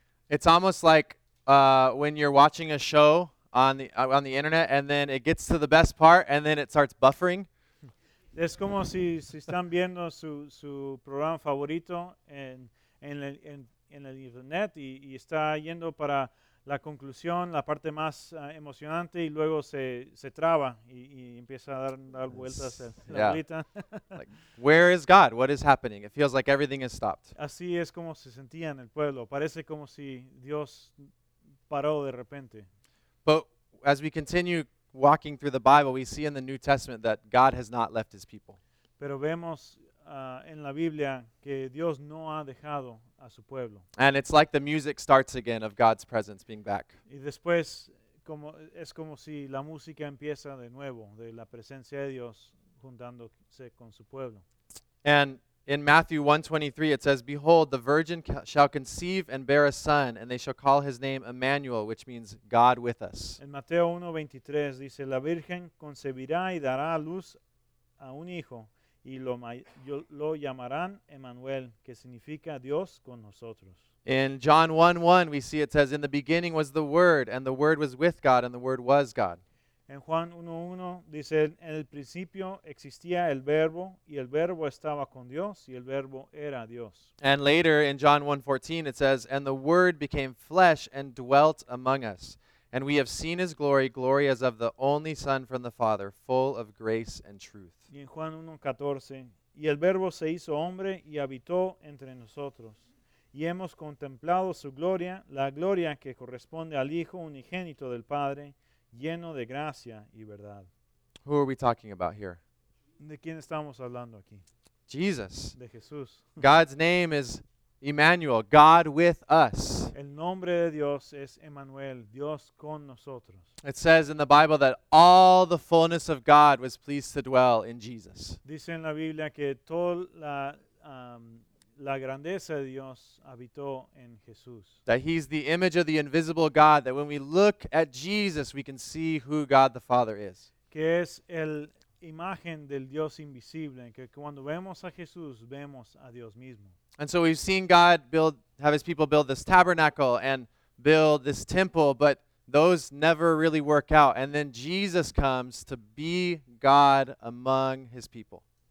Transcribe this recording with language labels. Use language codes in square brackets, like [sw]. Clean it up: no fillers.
[en] It's almost like when you're watching a show on the internet and then it gets to the best part and then it starts buffering. [es] Es como si están viendo su programa favorito en el internet y está yendo para la conclusión, la parte más emocionante, y luego se traba y empieza a dar vueltas a la bolita. [en] Like, where is God? What is happening? It feels like everything has stopped. [es] Así es como se sentía en el pueblo. Parece como si Dios paró de repente. [en] But as we continue walking through the Bible, we see in the New Testament that God has not left his people. [es] Pero vemos en la Biblia que Dios no ha dejado a su pueblo. [en] And it's like the music starts again of God's presence being back. [es] Y después es como si la música empieza de nuevo, de la presencia de Dios juntándose con su pueblo. [en] And in Matthew 1:23 it says, "Behold, the virgin shall conceive and bear a son, and they shall call his name Emmanuel, which means God with us." [es] En Mateo 1:23 dice, "La virgen concebirá y dará a luz a un hijo, y lo llamarán Emmanuel, que significa Dios con nosotros." [en] In John 1:1 we see it says, "In the beginning was the Word, and the Word was with God, and the Word was God." [es] En Juan 1:1 dice, "En el principio existía el Verbo, y el Verbo estaba con Dios, y el Verbo era Dios." [en] And later in John 1:14 it says, "And the Word became flesh and dwelt among us, and we have seen his glory, glory as of the only Son from the Father, full of grace and truth." [es] Y en Juan 1:14, "Y el Verbo se hizo hombre y habitó entre nosotros, y hemos contemplado su gloria, la gloria que corresponde al Hijo unigénito del Padre, lleno de gracia y verdad." [en] Who are we talking about here? [es] ¿De quién estamos hablando aquí? [en] Jesus. [es] De Jesús. [en] God's name is Emmanuel, God with us. [es] El nombre de Dios es Emmanuel, Dios con nosotros. [en] It says in the Bible that all the fullness of God was pleased to dwell in Jesus. [es] Dice en la Biblia que toda la grandeza de Dios habitó en Jesús. [en] That he's the image of the invisible God, that when we look at Jesus, we can see who God the Father is. [es] Que es el imagen del Dios invisible, que cuando vemos a Jesús, vemos a Dios mismo. [en] And so we've seen God build, have his people build this tabernacle and build this temple, but those never really work out. And then Jesus comes to be God among his people.